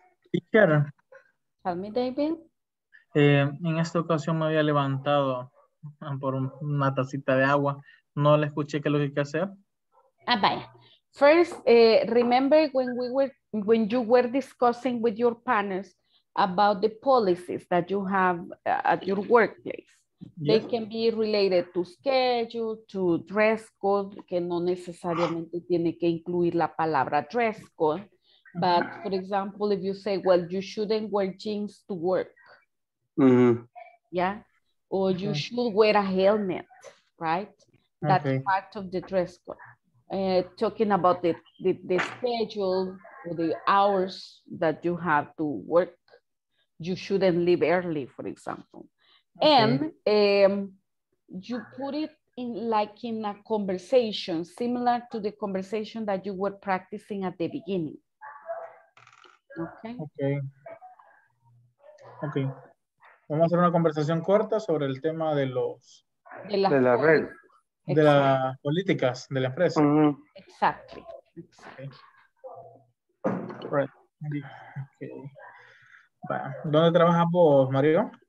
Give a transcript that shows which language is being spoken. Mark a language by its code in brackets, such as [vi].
[en] Teacher. Tell me, David. [es] En esta ocasión me había levantado por una tacita de agua. No le escuché qué es lo que hay que hacer. Ah, vaya. [en] First, remember when you were discussing with your partners about the policies that you have at your workplace. Yes. They can be related to schedule, to dress code, [es] que no necesariamente tiene que incluir la palabra dress code. [en] But for example, if you say, well, you shouldn't wear jeans to work. Mm-hmm. Yeah. Or you okay. should wear a helmet, right? That's okay. part of the dress code. Talking about the schedule or the hours that you have to work. You shouldn't leave early, for example. Okay. And you put it in like in a conversation, similar to the conversation that you were practicing at the beginning. Okay. Okay. Okay. [es] Vamos a hacer una conversación corta sobre el tema de los... De la red. De las políticas de la empresa. [en] Mm-hmm. Exactly. [es] Okay. Right. Okay. Bueno, ¿dónde trabajas vos, Mario?